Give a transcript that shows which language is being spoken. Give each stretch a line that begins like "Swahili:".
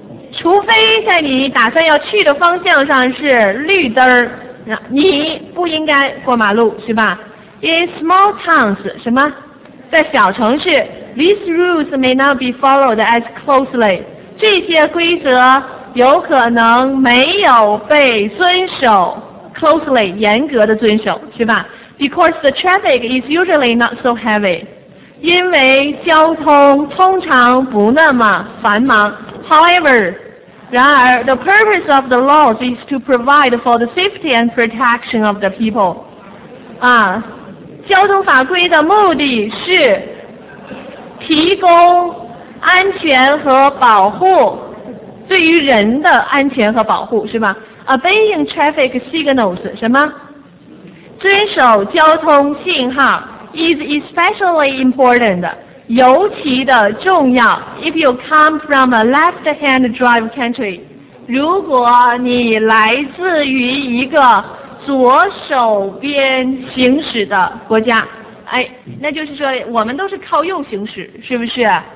Chinese: 除非在你打算要去的方向上是绿灯你不应该过马路是吧
English: in small towns
Chinese: 什么在小城市
English: these rules may not be followed as closely
Chinese: 这些规则有可能没有被遵守 closely 严格的遵守是吧
English: Because the traffic is usually not so heavy.
Chinese: 因为交通通常不那么繁忙。
English: However,
Chinese: 然而
English: the purpose of the laws is to provide for the safety and protection of the people.
Chinese: 啊，交通法规的目的是提供安全和保护，对于人的安全和保护，是吧？
English: Obeying traffic signals,
Chinese: 什么？遵守交通信号
English: is especially important
Chinese: 尤其的重要
English: if you come from a left-hand drive country
Chinese: 如果你来自于一个左手边行驶的国家哎，那就是说我们都是靠右行驶是不是